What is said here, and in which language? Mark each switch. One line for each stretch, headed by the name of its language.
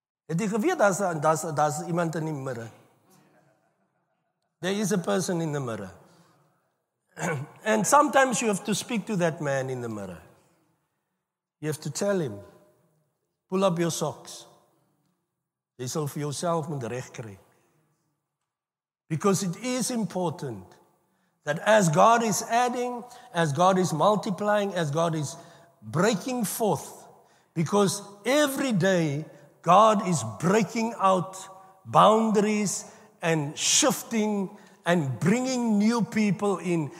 Afrikaans: Het jy geweet daar's iemand in die mirror?
English: There is a person in the mirror. And sometimes you have to speak to that man in the mirror. You have to tell him, pull up your socks.
Afrikaans: Jy sal vir jouself moet reg kry.
English: Because it is important that as God is adding, as God is multiplying, as God is breaking forth, because every day God is breaking out boundaries and shifting and bringing new people in.